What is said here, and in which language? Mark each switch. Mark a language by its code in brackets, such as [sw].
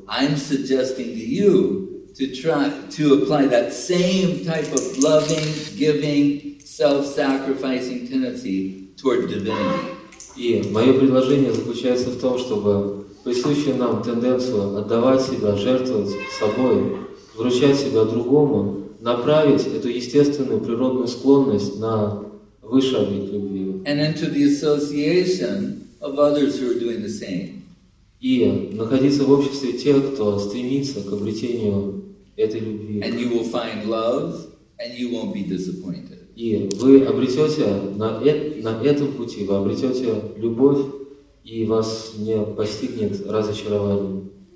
[en] I'm suggesting to you to try to apply that same type of loving, giving, self-sacrificing tendency toward divinity. [ru] И мое предложение заключается в том, чтобы присущую нам тенденцию отдавать себя, жертвовать собой, вручать себя другому, направить эту естественную природную склонность на высший объект любви. [en] And into the association of others who are doing the same. [ru] И находиться в обществе тех, кто стремится к обретению этой любви. [en] And you will find love, and you won't be disappointed. [ru] И вы обретете на этом пути, вы обретете любовь, и вас не постигнет разочарование.